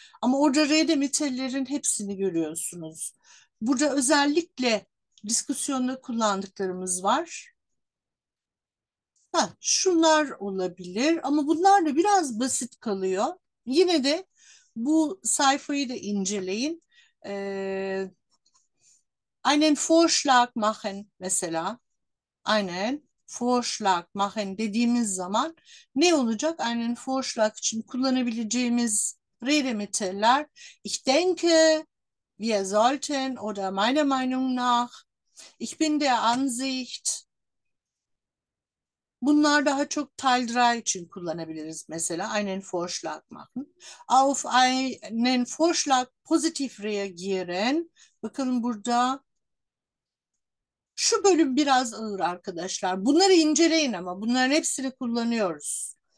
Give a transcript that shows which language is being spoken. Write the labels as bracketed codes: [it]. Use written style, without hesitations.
[tr] Ama orada Redemit'lerin hepsini görüyorsunuz. Burada özellikle diskusyonda kullandıklarımız var. Ha, şunlar olabilir ama bunlar da biraz basit kalıyor. Yine de bu sayfayı da inceleyin. [de] Einen Vorschlag machen [tr] mesela. [de] Einen Vorschlag machen [tr] dediğimiz zaman ne olacak? [de] Einen Vorschlag [tr] için kullanabileceğimiz Redemitteler. [de] Ich denke, wir sollten oder meiner Meinung nach. Ich bin der Ansicht. [tr] Bunlar daha çok Teil 3 için kullanabiliriz mesela. [de] Einen Vorschlag machen. Auf einen Vorschlag positiv reagieren. [tr] Bakalım burada. Şu bölüm biraz ağır arkadaşlar. Bunları inceleyin ama bunların hepsini kullanıyoruz.